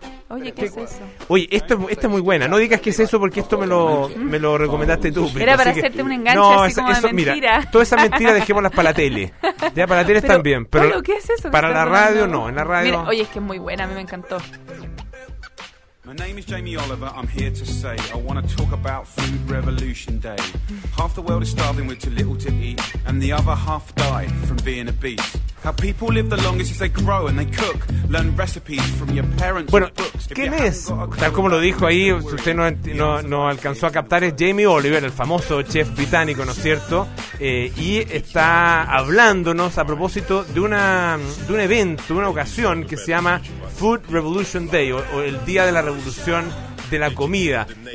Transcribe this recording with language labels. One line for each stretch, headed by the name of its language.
Spanish: Oye, ¿qué es eso? Oye, esto es muy buena, no digas que es eso porque esto me lo recomendaste tú. Era para hacerte un enganche, no, así como eso, de mentira. Mira, todas esas mentiras dejémoslas para la tele. Ya, para la tele están bien, pero ¿qué es eso? Para la radio no, en la radio... Mira, oye, es que es muy buena, a mí me encantó.
English: My name is Jamie Oliver, I'm here to say I want to talk about Food Revolution Day. Half the world is starving with too little to eat, and the other half die from being obese. How people live the longest is they grow and they cook. Learn recipes from your parents' books.
Spanish: ¿Quién es? Tal como lo dijo ahí, usted no alcanzó a captar, es Jamie Oliver, el famoso chef británico, ¿no es cierto? Y está hablándonos a propósito de un evento, una ocasión que se llama Food Revolution Day, o el Día de la Revolución de la Comida.